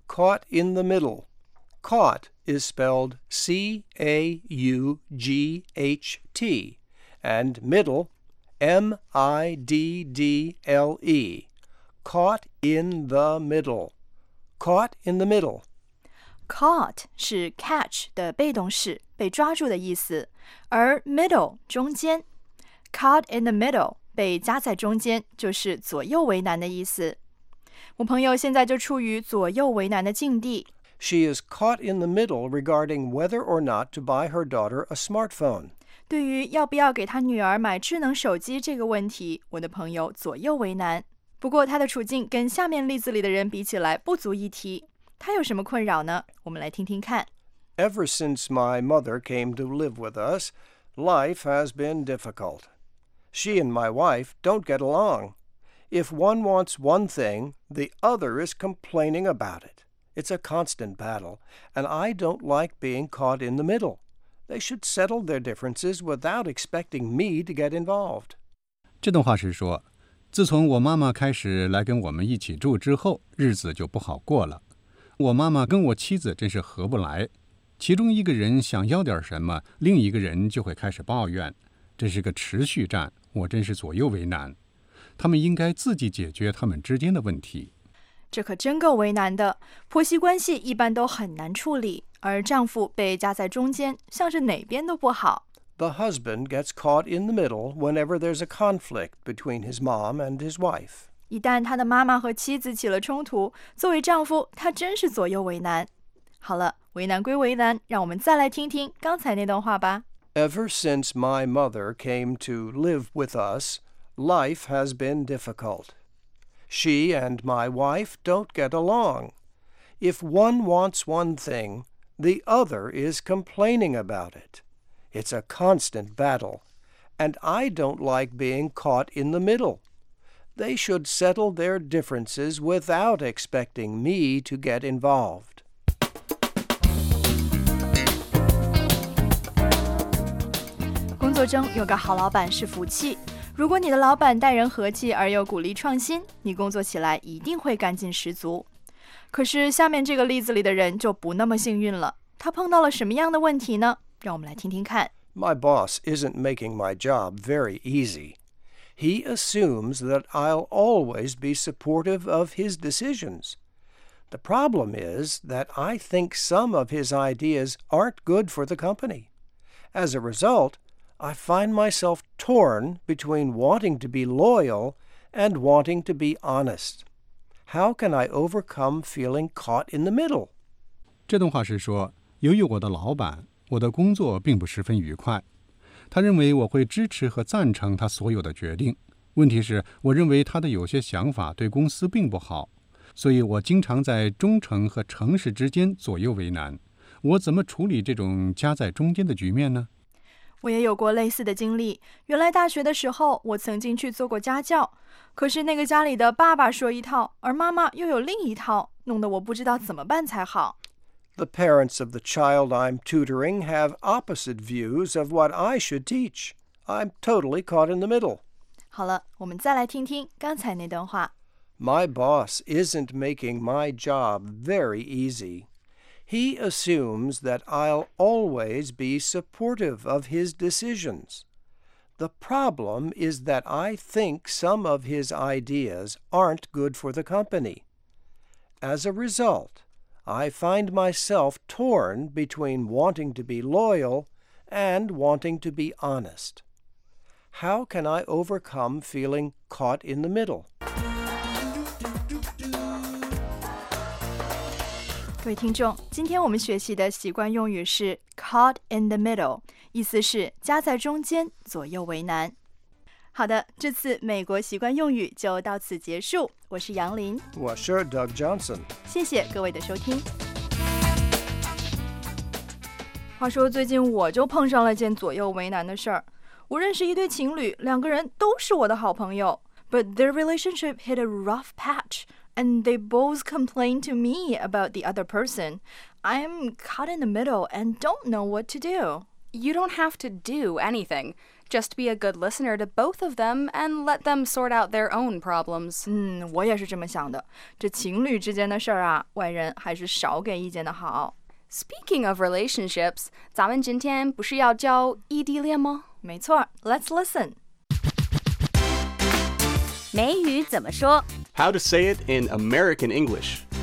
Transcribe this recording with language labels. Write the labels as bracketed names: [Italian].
[English] Caught in the middle Caught is spelled C-A-U-G-H-T And middle M-I-D-D-L-E Caught in the middle Caught in the middle [Chinese] Caught 是 catch 的被动式被抓住的意思而 middle 中间 Caught in the middle被夹在中间就是左右为难的意思。我朋友现在就处于左右为难的境地。 [English] She is caught in the middle regarding whether or not to buy her daughter a smartphone. [Chinese] 对于要不要给她女儿买智能手机这个问题，我的朋友左右为难。不过她的处境跟下面例子里的人比起来不足一提。她有什么困扰呢？我们来听听看。 [English] Ever since my mother came to live with us, life has been difficult. She and my wife don't get along. If one wants one thing, the other is complaining about it. It's a constant battle, and I don't like being caught in the middle. They should settle their differences without expecting me to get involved. [Chinese] 这段话是说，自从我妈妈开始来跟我们一起住之后，日子就不好过了。我妈妈跟我妻子真是合不来。其中一个人想要点什么，另一个人就会开始抱怨。这是个持续战，我真是左右为难。他们应该自己解决他们之间的问题。这可真够为难的，婆媳关系一般都很难处理，而丈夫被夹在中间，像是哪边都不好。 [English] The husband gets caught in the middle whenever there's a conflict between his mom and his wife. [Chinese] 一旦他的妈妈和妻子起了冲突，作为丈夫，他真是左右为难。好了，为难归为难，让我们再来听听刚才那段话吧。 [English] Ever since my mother came to live with us, life has been difficult. She and my wife don't get along. If one wants one thing, the other is complaining about it. It's a constant battle, and I don't like being caught in the middle. They should settle their differences without expecting me to get involved. [Chinese] 工作中有个好老板是福气。如果你的老板待人和气而又鼓励创新，你工作起来一定会干劲十足。可是下面这个例子里的人就不那么幸运了，他碰到了什么样的问题呢？让我们来听听看。 [English] My boss isn't making my job very easy. He assumes that I'll always be supportive of his decisions. The problem is that I think some of his ideas aren't good for the company. As a result, I find myself torn between wanting to be loyal and wanting to be honest. How can I overcome feeling caught in the middle? [Chinese] 这段话是说，由于我的老板我的工作并不十分愉快，他认为我会支持和赞成他所有的决定。问题是，我认为他的有些想法对公司并不好，所以我经常在忠诚和诚实之间左右为难。我怎么处理这种夹在中间的局面呢？我也有过类似的经历。原来大学的时候，我曾经去做过家教，可是那个家里的爸爸说一套，而妈妈又有另一套，弄得我不知道怎么办才好。 [English] The parents of the child I'm tutoring have opposite views of what I should teach. I'm totally caught in the middle. [Chinese] 好了，我们再来听听刚才那段话。 [English] My boss isn't making my job very easy. He assumes that I'll always be supportive of his decisions. The problem is that I think some of his ideas aren't good for the company. As a result,I find myself torn between wanting to be loyal and wanting to be honest. How can I overcome feeling caught in the middle? [Chinese] 各位听众，今天我们学习的习惯用语是 caught in the middle， 意思是夹在中间，左右为难。好的，这次美国习惯用语就到此结束。我是杨林，我是 Doug Johnson。谢谢各位的收听。话说最近我就碰上了件左右为难的事儿。我认识一对情侣，两个人都是我的好朋友。 [English] But their relationship hit a rough patch, and they both complained to me about the other person. I'm caught in the middle and don't know what to do. You don't have to do anything. Just be a good listener to both of them and let them sort out their own problems. [Chinese] 我也是这么想的。这情侣之间的事儿啊，外人还是少给意见的好。 [English] Speaking of relationships, [Chinese] 咱们今天不是要教异地恋吗？没错， [English] let's listen. [Chinese] 美语怎么说？ [English] How to say it in American English.